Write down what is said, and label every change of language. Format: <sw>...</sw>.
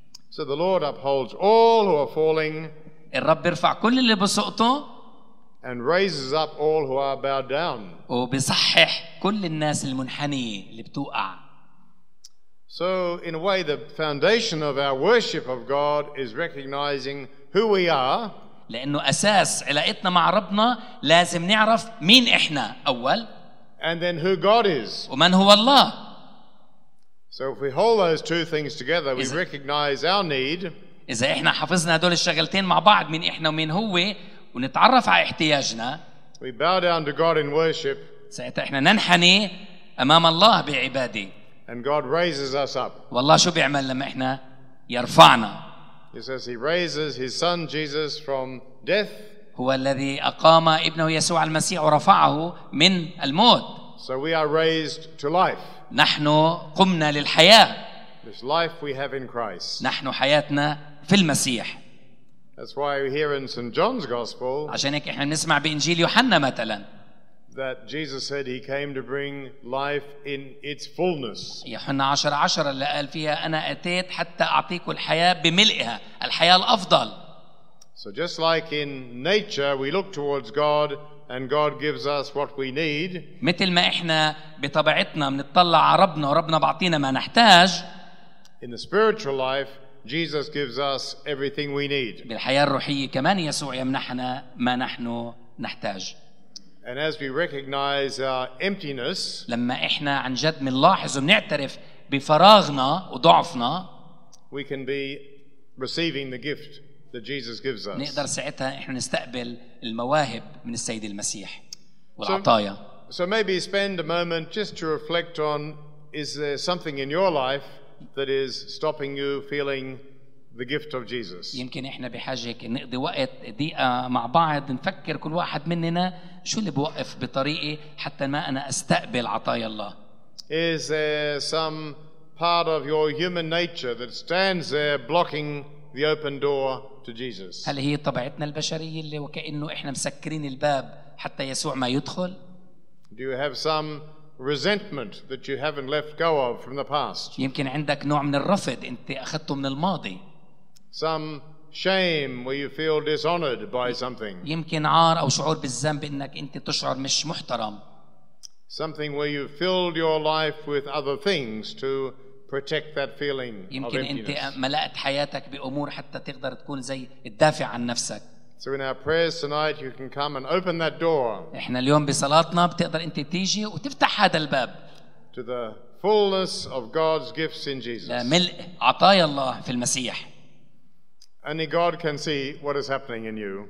<en>So the Lord upholds all who are falling.</en> <ar>الرب يرفع كل اللي بسقطوا.</ar> <en>And raises up all who are bowed down.</en> <ar>وبيصحح كل الناس المنحنية اللي بتوقع.</ar> <en>So in a way, the foundation of our worship of God is recognizing who we are.</en> <ar>لأنه أساس علاقتنا مع ربنا لازم نعرف مين إحنا أول.</ar> <en>And then who God is.</en> <ar>ومن هو الله.</ar> <en>So if we hold those two things together, we recognize our need.</en> <ar>إذا إحنا حفظنا هدول الشغلتين مع بعض مين إحنا ومين هو. ونتعرف على احتياجنا.</ar> <en>We bow down to God in worship.</en> <ar>ساعتها احنا ننحني امام الله بعباده.</ar> <en>And God raises us up.</en> <ar>والله شو بيعمل لما احنا يرفعنا.</ar> <en>He says he raises his son Jesus from death.</en> <ar>هو الذي اقام ابنه يسوع المسيح ورفعه من الموت.</ar> <en>So we are raised to life.</en> <ar>نحن قمنا للحياة.</ar> <en>This life we have in Christ.</en> <ar>نحن حياتنا في المسيح.</ar> <en>That's why we hear in St. John's Gospel.</en> <ar>عشان هيك احنا بنسمع بإنجيل يوحنا مثلا.</ar> <en>that Jesus said he came to bring life in its fullness.</en> <ar>يوحنا 10:10 اللي قال فيها انا اتيت حتى اعطيكم الحياه بملئها الحياه الافضل.</ar> <en>So just like in nature we look towards God and God gives us what we need.</en> <ar>مثل ما احنا بطبيعتنا بنطلع على ربنا وربنا بيعطينا ما نحتاج.</ar> <en>In the spiritual life Jesus gives us everything we need.</en> <ar>بالحياه الروحيه كمان يسوع يمنحنا ما نحن نحتاج.</ar> <en>And as we recognize our emptiness,</en> <ar>لما احنا عن جد بنلاحظ وبنعترف بفراغنا وضعفنا,</ar> <en>we can be receiving the gift that Jesus gives us.</en> <ar>نقدر ساعتها احنا نستقبل المواهب من السيد المسيح والعطايا.</ar> <en>So maybe spend a moment just to reflect on, is there something in your life that is stopping you feeling the gift of Jesus?</en> <ar>يمكن احنا بحاجه نقضي وقت دقيقه مع بعض نفكر كل واحد مننا شو اللي بوقف بطريقي حتى ما انا استقبل عطايا الله.</ar> <en>Is there some part of your human nature that stands there blocking the open door to Jesus?</en> <ar>هل هي طبيعتنا البشريه اللي وكانه احنا مسكرين الباب حتى يسوع ما يدخل؟</ar> <en>Do you have some resentment that you haven't left go of from the past?</en> <ar>يمكن عندك نوع من الرفض انت اخذته من الماضي.</ar> <en>Some shame where you feel dishonored by something.</en> <ar>يمكن عار او شعور بالذنب انك انت تشعر مش محترم.</ar> <en>Something where you filled your life with other things to protect that feeling.</en> <ar>يمكن انت ملأت حياتك بامور حتى تقدر تكون زي الدافع عن نفسك.</ar> <en>So in our prayers tonight you can come and open that door.</en> <ar>احنا اليوم بصلاتنا بتقدر انت تيجي وتفتح هذا الباب.</ar> <en>To the fullness of God's gifts in Jesus.</en> <ar>لملء عطايا الله في المسيح.</ar> <en>Only God can see what is happening in you.</en>